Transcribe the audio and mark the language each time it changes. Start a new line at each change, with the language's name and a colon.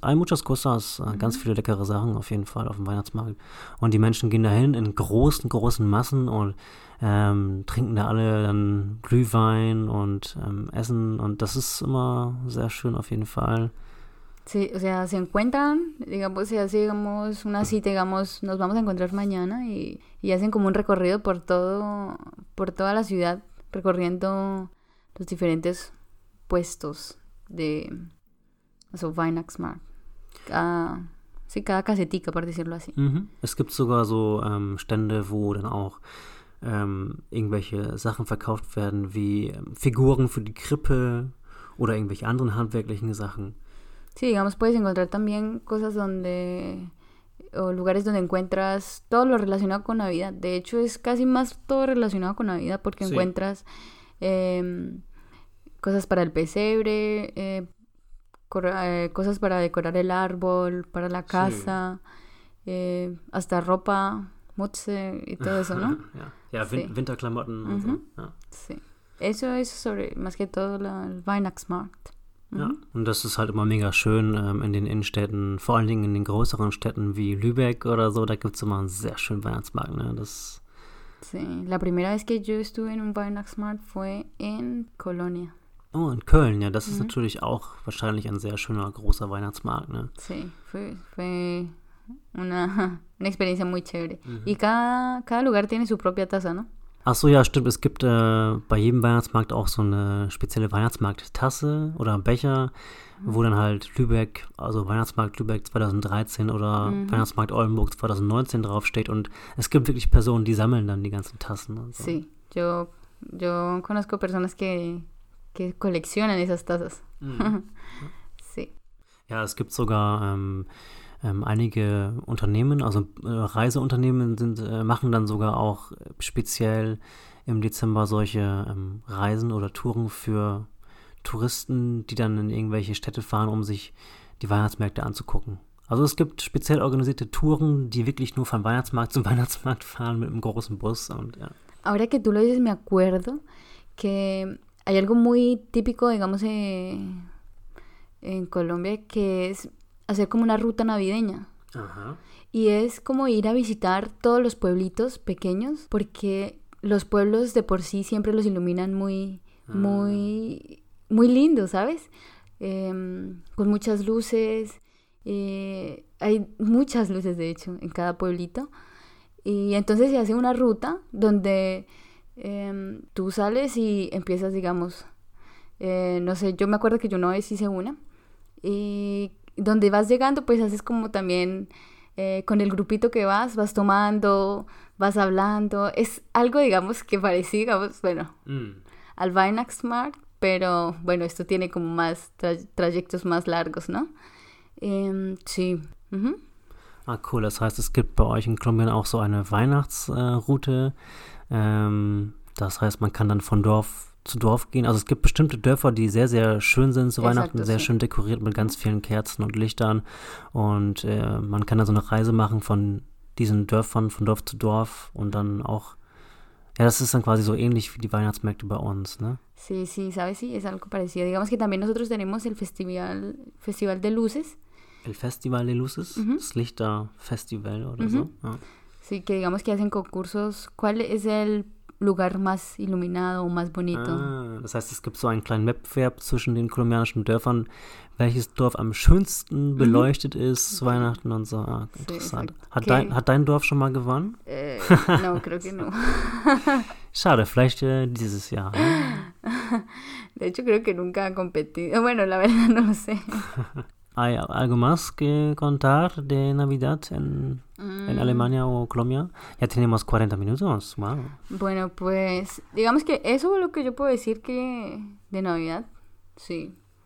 Spanish: Hay muchas cosas,
German: ganz viele leckere Sachen auf jeden Fall auf dem Weihnachtsmarkt. Und die Menschen gehen dahin in großen, großen Massen und trinken da alle dann Glühwein und essen. Und das ist immer sehr schön auf jeden Fall.
Spanish: Sí, o sea, se encuentran, digamos, se hace, digamos, una cita, digamos, nos vamos a encontrar mañana y hacen como un recorrido por toda la ciudad recorriendo los diferentes puestos de, o sea, Weihnachtsmarkt. Cada casetica, por decirlo así.
German: Es gibt sogar so Stände, wo dann auch irgendwelche Sachen verkauft werden, wie Figuren für die Krippe oder irgendwelche anderen handwerklichen Sachen.
Spanish: Sí, digamos, puedes encontrar también cosas donde, o lugares donde encuentras todo lo relacionado con Navidad. De hecho, es casi más todo relacionado con Navidad porque Sí. encuentras cosas para el pesebre, cosas para decorar el árbol, para la Sí. casa, hasta ropa, mutze y todo eso, ¿no? Ya, Sí.
German: Winterklamotten und so. Ja.
Spanish: Sí. Eso es sobre más que todo el Weihnachtsmarkt.
German: Ja, und das ist halt immer mega schön in den Innenstädten, vor allen Dingen in den größeren Städten wie Lübeck oder so, da gibt es immer einen sehr schönen Weihnachtsmarkt, ne? Das.
Spanish: Sí. La primera vez que yo estuve en un Weihnachtsmarkt fue en Colonia.
German: Oh, in Köln, ja, das ist natürlich auch wahrscheinlich ein sehr schöner, großer Weihnachtsmarkt, ne?
Spanish: Sí, fue una experiencia muy chévere. Y cada lugar tiene su propia taza, ¿no?
German: Ach so, ja, stimmt, es gibt bei jedem Weihnachtsmarkt auch so eine spezielle Weihnachtsmarkttasse oder Becher, wo dann halt Lübeck, also Weihnachtsmarkt Lübeck 2013 oder Weihnachtsmarkt Oldenburg 2019 draufsteht und es gibt wirklich Personen, die sammeln dann die ganzen Tassen und so.
Spanish: Sí, yo conozco personas que coleccionan esas tazas. Sí.
German: Ja, es gibt sogar einige Unternehmen, also Reiseunternehmen sind, machen dann sogar auch speziell im Dezember solche Reisen oder Touren für Touristen, die dann in irgendwelche Städte fahren, um sich die Weihnachtsmärkte anzugucken. Also es gibt speziell organisierte Touren, die wirklich nur von Weihnachtsmarkt zu Weihnachtsmarkt fahren mit einem großen Bus und ja.
Spanish: Ahora que tú lo dices, me acuerdo que hay algo muy típico, digamos, en Colombia, que es hacer como una ruta navideña. Y es como ir a visitar todos los pueblitos pequeños, porque los pueblos de por sí siempre los iluminan muy, muy, muy lindos, ¿sabes? Con muchas luces. Hay muchas luces, de hecho, en cada pueblito. Y entonces se hace una ruta donde tú sales y empiezas, digamos, no sé, yo me acuerdo que yo una vez hice una, y donde vas llegando, pues haces como también con el grupito que vas tomando, vas hablando, es algo, digamos, que parecía, digamos, bueno, al Weihnachtsmarkt, pero bueno, esto tiene como más trayectos más largos, ¿no? Sí.
German: Ah, cool. Das heißt, es gibt bei euch in Kolumbien auch so eine Weihnachtsroute. Das heißt, man kann dann von Dorf zu Dorf gehen. Also es gibt bestimmte Dörfer, die sehr, sehr schön sind zu Weihnachten,
Spanish: Exacto,
German: sehr
Spanish: sí.
German: schön dekoriert mit ganz vielen Kerzen und Lichtern. Und man kann dann so eine Reise machen von diesen Dörfern, von Dorf zu Dorf und dann auch. Ja, das ist dann quasi so ähnlich wie die Weihnachtsmärkte bei uns, ne?
Spanish: Sí, ¿sabes? Sí, es algo parecido. Digamos que también nosotros tenemos el Festival de Luces. El Festival de Luces,
German: das Lichterfestival oder so, ja.
Spanish: Sí, que digamos que hacen concursos. ¿Cuál es el lugar más iluminado o más bonito?
German: Ah, das heißt, es gibt so einen kleinen Wettbewerb zwischen den kolumbianischen Dörfern, welches Dorf am schönsten beleuchtet ist zu Weihnachten und so. Ah,
Spanish: Sí,
German: interessant.
Spanish: exacto.
German: Hat dein Dorf schon mal gewonnen?
Spanish: No, creo que no.
German: Schade, vielleicht dieses Jahr, ne?
Spanish: De hecho, creo que nunca ha competido. Bueno, la verdad no lo sé. ¿Hay algo más que contar de Navidad en Alemania o Colombia? Ya tenemos 40 minutos, wow. Bueno, pues digamos que eso es lo que yo puedo decir que de Navidad. Sí.